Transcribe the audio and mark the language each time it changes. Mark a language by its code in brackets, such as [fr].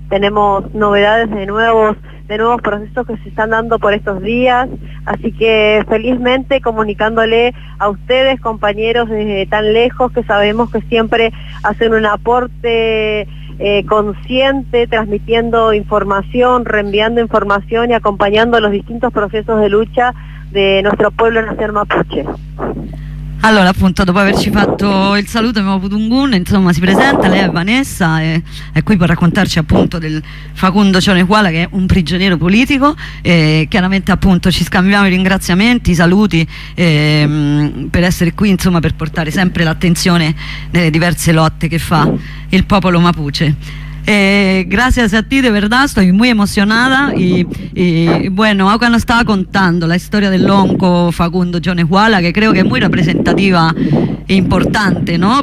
[es] Tenemos novedades de nuevos procesos que se están dando por estos días, así que felizmente comunicándole a ustedes, compañeros desde tan lejos, que sabemos que siempre hacen un aporte consciente, transmitiendo información, reenviando información y acompañando los distintos procesos de lucha de nuestro pueblo nación mapuche. [it] Allora, appunto, dopo averci fatto il saluto, abbiamo avuto un gun, insomma, si presenta, lei è Vanessa, è qui per raccontarci appunto del Facundo Cionequala, che è un prigioniero politico, e chiaramente appunto ci scambiamo i ringraziamenti, i saluti, per essere qui, insomma, per portare sempre l'attenzione nelle diverse lotte che fa il popolo mapuche. [es] Gracias a ti, de verdad, estoy muy emocionada y bueno, acá nos estaba contando la historia del lonco Facundo Cionequala, que creo que es muy representativa e importante, ¿no?